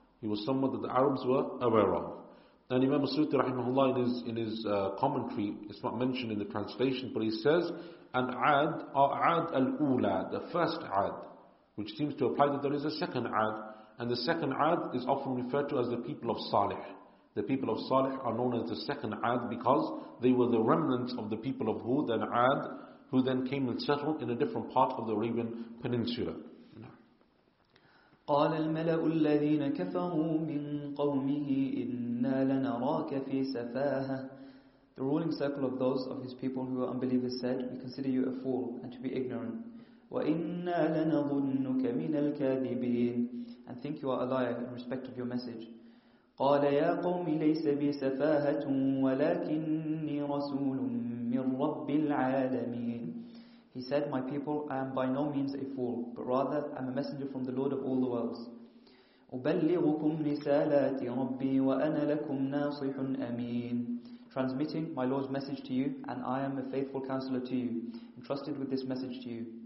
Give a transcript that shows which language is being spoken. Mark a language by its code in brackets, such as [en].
[en] He was someone that the Arabs were aware of. And Imam Suti rahimahullah in his commentary, it's not mentioned in the translation, but he says, and Ad, Ad al-Ula, the first Ad, which seems to apply that there is a second Ad, And the second Ad is often referred to as the people of Salih. The people of Salih are known as the second Ad because they were the remnants of the people of Hud and Ad, who then came and settled in a different part of the Arabian Peninsula. [ar] قال الملأ الذين كفروا من قومه إنا لنراك في سفاهة. [en] The ruling circle of those of his people who are unbelievers said, "We consider you a fool and to be ignorant." [ar] وإنا لنظنك من الكاذبين. [en] And think you are a liar in respect of your message. [ar] قال يا قوم ليس بي سفاهة ولكني رسول من رب العالمين. [en] He said, "My people, I am by no means a fool, but rather I am a messenger from the Lord of all the worlds. [ar] أُبَلِّغُكُمْ رِسَالَاتِ رَبِّي وَأَنَا لَكُمْ نَاصِحٌ أَمِينٌ [en] Transmitting my Lord's message to you, and I am a faithful counselor to you, entrusted with this message to you.